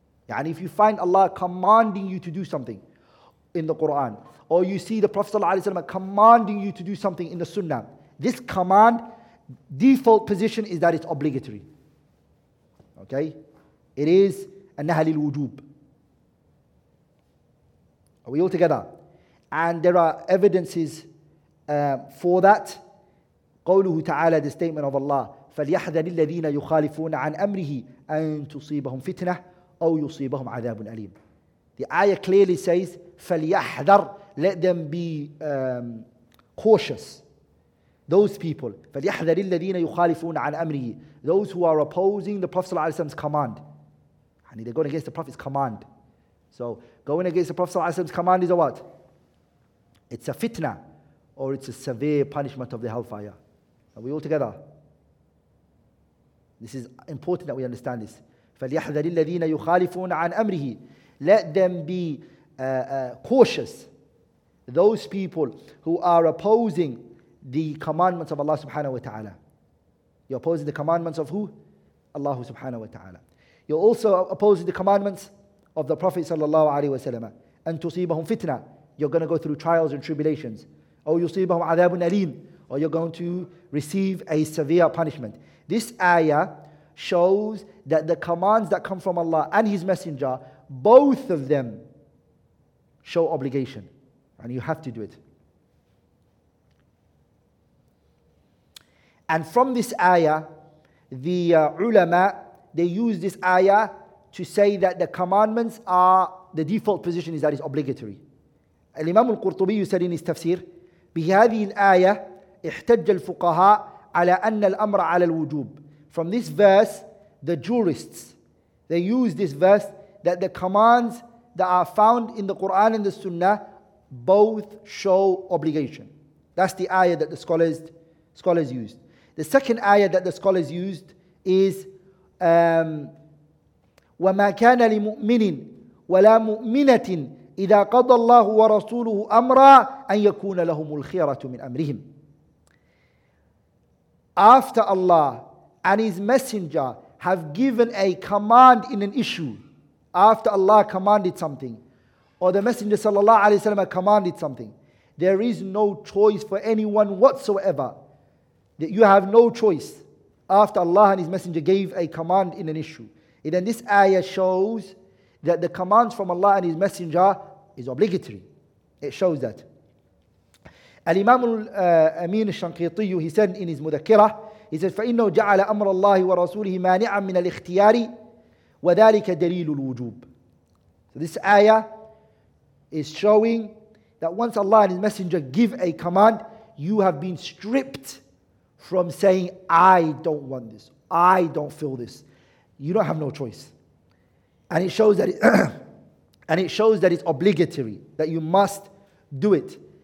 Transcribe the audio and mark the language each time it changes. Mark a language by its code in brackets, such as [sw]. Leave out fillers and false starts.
[en] Yani if you find Allah commanding you to do something in the Quran, or you see the Prophet ﷺ commanding you to do something in the sunnah, this command, default position is that it's obligatory. Okay? It is a nahal al-wujub. Are we all together? And there are evidences for that. [ar] قوله تعالى, [en] the statement of Allah, [ar] فَلْيَحْذَرِ الَّذِينَ يُخَالِفُونَ عَنْ أَمْرِهِ أَنْ تُصِيبَهُمْ فِتْنَةً أَوْ يُصِيبَهُمْ عَذَابٌ أَلِيمٌ. [en] The ayah clearly says, [ar] فَلْيَحْذَرْ, [en] let them be cautious. Those people, [ar] فَلْيَحْذَرِ الَّذِينَ يُخَالِفُونَ عَنْ أَمْرِهِ, [en] those who are opposing the Prophet's command. And they're going against the Prophet's command. So going against the Prophet's command is a what? It's a fitna, or it's a severe punishment of the hellfire. Are we all together? This is important that we understand this. [ar] فَلْيَحْذَرِ الَّذِينَ يُخَالِفُونَ عَنْ أَمْرِهِ, [en] let them be cautious. Those people who are opposing the commandments of Allah subhanahu wa ta'ala. You're opposing the commandments of who? Allah subhanahu wa ta'ala. You're also opposing the commandments of the Prophet sallallahu alayhi wa sallam. [ar] أَنْ تُصِيبَهُمْ فِتْنَةً, [en] you're going to go through trials and tribulations. [ar] أَوْ يُصِيبَهُمْ عَذَابٌ أَلِيمٌ, [en] or you're going to receive a severe punishment. This ayah shows that the commands that come from Allah and His Messenger, both of them show obligation. And you have to do it. And from this ayah, the ulama, they use this ayah to say that the commandments are, the default position is that it's obligatory. [ar] الإمام القرطبي [en] said in his tafsir, [ar] بهذه الآية احتج الفقهاء على أن الأمر على الوجوب. [en] From this verse, the jurists, they use this verse that the commands that are found in the Quran and the Sunnah both show obligation. That's the ayah that the scholars used. The second ayah that the scholars used is [ar] وَمَا كَانَ لِمُؤْمِنٍ وَلَا مُؤْمِنَةٍ إِذَا قَضَى اللَّهُ وَرَسُولُهُ أَمْرًا أَنْ يَكُونَ لَهُمُ الْخِيَرَةُ مِنْ أَمْرِهِمْ. [en] After Allah and His Messenger have given a command in an issue, after Allah commanded something, or the Messenger sallallahu alayhi wa sallam commanded something, there is no choice for anyone whatsoever. You have no choice after Allah and His Messenger gave a command in an issue. And then this ayah shows that the commands from Allah and His Messenger is obligatory. It shows that. [ar] Al-Imam Amin al-Shanqiti, [en] he said in his mudakkirah, he said, [ar] فَإِنَّهُ جَعَلَ أَمْرَ اللَّهِ وَرَسُولِهِ مَانِعًا مِنَ الْإِخْتِيَارِ وَذَلِكَ دَلِيلُ الْوُجُوبِ. [en] So this ayah is showing that once Allah and His Messenger give a command, you have been stripped from saying, I don't want this, I don't feel this. You don't have no choice. And it shows that it's obligatory, that you must do it.